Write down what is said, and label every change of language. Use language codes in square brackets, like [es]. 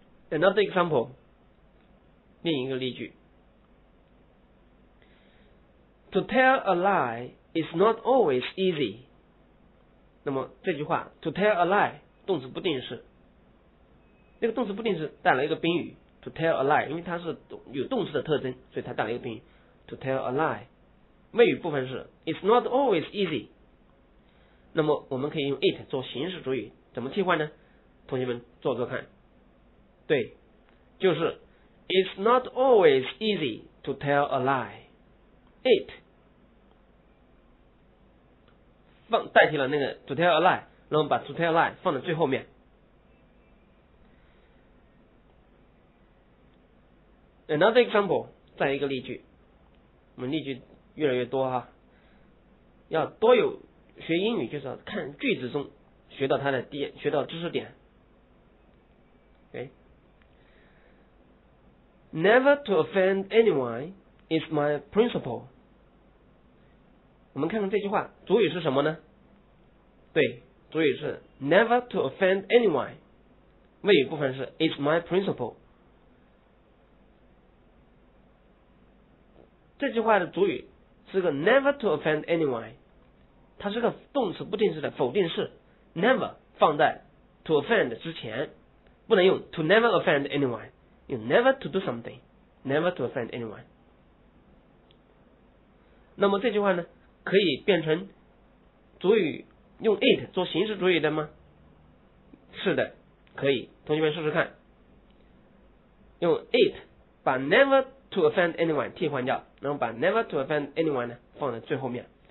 [en] Another example， [zh] 另一个例句， [en] To tell a lie is not always easy， [zh] 那么这句话 to tell a lie 动词不定式，那个动词不定式带了一个宾语 to tell a lie， 因为它是有动词的特征，所以它带了一个宾语 to tell a lie， 谓语部分是 [en] it's not always easy， [zh] 那么我们可以用 it 做形式主语，怎么替换呢？同学们做做看。对，就是 [en] it's not always easy to tell a lie， [zh] it代替了那个 to tell a lie， 然后把 to tell a lie 放在最后面。 [en] Another example， [zh] 再一个例句，我们例句越来越多哈，要多有学英语就是要看句子中学到它的点，学到知识点。 [en] okay. Never to offend anyone is my principle， [zh] 我们看看这句话主语是什么呢？对，主语是 [en] never to offend anyone， [zh] 谓语部分是 [en] it's my principle， [zh] 这句话的主语是个 never to offend anyone， 它是个动词不定式的否定式， never 放在 to offend 之前，不能用 to never offend anyone， 用 never to do something， never to offend anyone。那么这句话呢，可以变成主语用 it 做形式主语的吗？是的，可以，同学们试试看，用 it 把 never to offend anyone 替换掉，然后把 never to offend anyone 呢放在最后面。